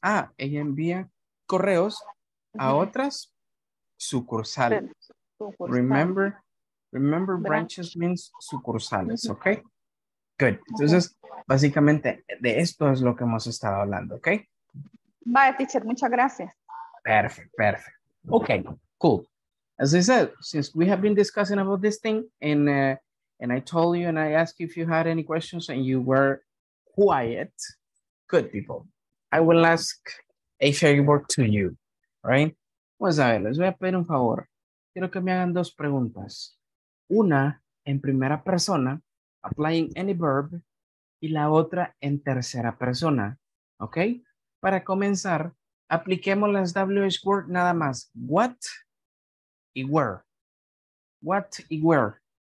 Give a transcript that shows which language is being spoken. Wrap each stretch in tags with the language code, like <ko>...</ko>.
<es>Ah, ella envía correos a otras sucursales.</es> <en>Remember branches means sucursales, okay? Good.</en> <es>Entonces, básicamente, de esto es lo que hemos estado hablando, okay?</es> <en>Bye, teacher.</en> <es>Muchas gracias.</es> <en>Perfect. Okay, cool. As I said, since we have been discussing about this thing, and I told you and I asked you if you had any questions and you were quiet, good people. I will ask a favor to you, right?</en> <es>Pues a ver, les voy a pedir un favor. Quiero que me hagan dos preguntas. Una en primera persona,</es> <en>applying any verb,</en> <es>y la otra en tercera persona, ¿ok? Para comenzar, apliquemos las WH word nada más. What y where. What y where.</es>